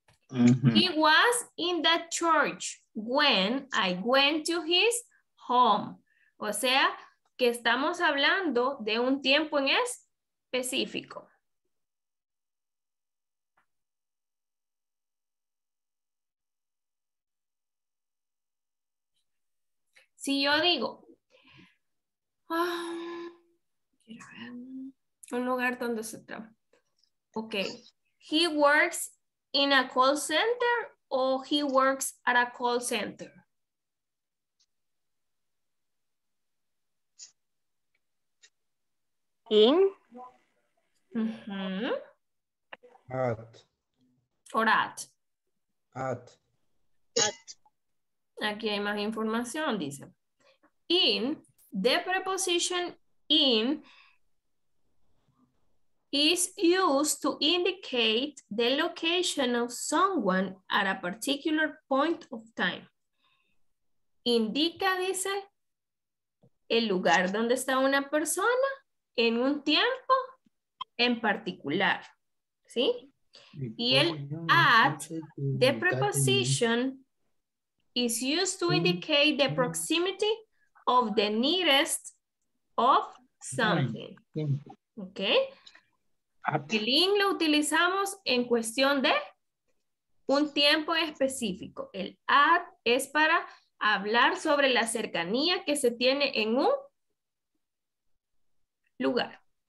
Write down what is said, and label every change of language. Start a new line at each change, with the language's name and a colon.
English: He was in the church when I went to his home.
Spanish: O sea, que estamos hablando de un tiempo en específico. Si yo digo, un lugar donde se está. Ok.
English: He works in a call center o he works at a call center. In. At. Or at. At. At.
Spanish: Aquí hay más información, dice.
English: In, the preposition in is used to indicate the location of someone at a particular point of time.
Spanish: Indica, dice, el lugar donde está una persona en un tiempo en particular. ¿Sí?
English: Y el at, the preposition is used to indicate the proximity of the nearest of something.
Spanish: Ok. El in lo utilizamos en cuestión de un tiempo específico. El at es para hablar sobre la cercanía que se tiene en un lugar.